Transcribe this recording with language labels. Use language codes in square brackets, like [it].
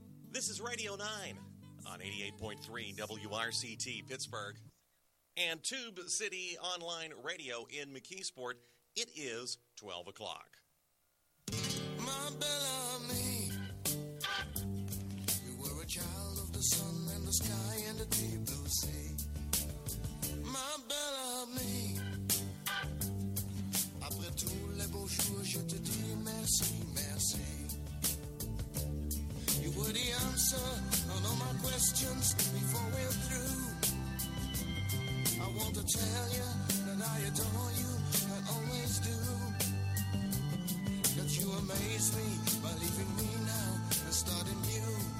[en] This is Radio 9 on 88.3 WRCT Pittsburgh and Tube City Online Radio in McKeesport. It is 12 o'clock. My Bellamy, you were a child of the sun and the sky and the deep blue sea. [fr] My Bellamy, après tous les beaux jours, je te dis merci, merci. [en] You were the answer on all my questions before we're through. I want to tell you that I adore you, I always do. That you amaze me by leaving me now and starting new.